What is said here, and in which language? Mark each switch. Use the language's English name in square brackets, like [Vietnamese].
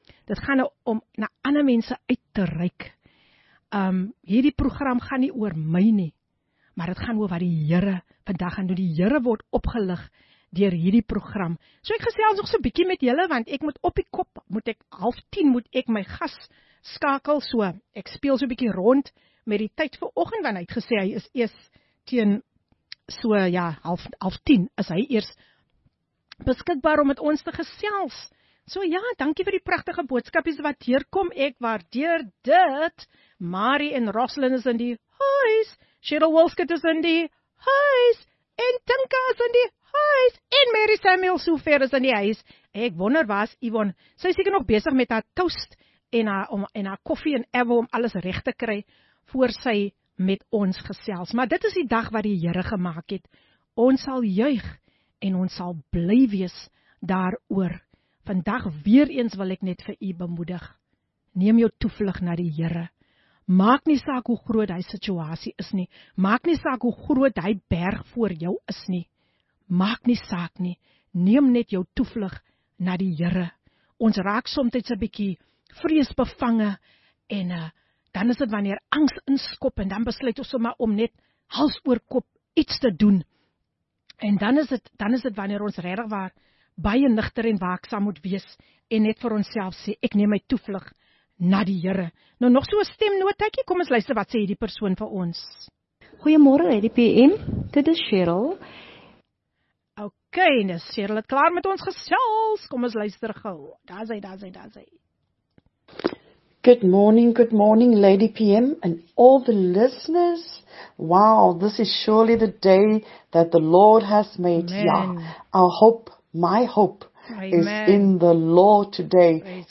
[Afrikaans] Dit gaan nou om na ander mense uit te reik. Hierdie program gaan nie oor my nie, maar dit gaan oor wat die Here vandag gaan doen. Die Here word opgelig deur hierdie program. So ek gesels nog so 'n bietjie met julle, want ek moet op die kop, moet ek 9:30 moet ek my gas skakel, so ek speel so 'n bietjie rond met die tyd vir oggend, want hy het gesê hy is eers teen so ja, 9:30 is hy eers beskikbaar om met ons te gesels. So ja, dankie vir die pragtige boodskapies wat deurkom. Ek waardeer dit. Marie en Roslyn is in die huis. Cheryl Wolskut is in die huis. En Tinka is in die huis. En Mary Samuel Soever is in die huis. Ek wonder waar is Yvonne. Sy is seker nog besig met haar toast en haar koffie en ewe om alles reg te kry voor sy met ons gesels. Maar dit is die dag wat die Here gemaak het. Ons sal juig en ons sal bly wees daaroor. Vandag weer eens wil ek net vir u bemoedig. Neem jou toevlug na die Here. Maak nie saak hoe groot hy situasie is nie. Maak nie saak hoe groot hy berg voor jou is nie. maak nie saak nie, neem net jou toevlug na die Here. Ons raak soms 'n bietjie vreesbevange en dan is dit wanneer angs inskop en dan besluit ons sommer om net hals oor kop iets te doen. En dan is dit wanneer ons regtig waar baie nigter en waaksaam moet wees en net vir onsself sê ek neem my toevlug na die Here. Nou nog so 'n stemnotetjie, kom ons luister wat sê hierdie persoon vir ons. Goeiemôre hierdie PM, dit is Cheryl. OK, dis Cheryl, het klaar met ons gesels. Kom ons luister gou. Daar's hy. [English] Good morning, Lady PM and all the listeners. Wow, this is surely the day that the Lord has made. Amen. Yeah, my hope Amen. Is in the Lord today. Praise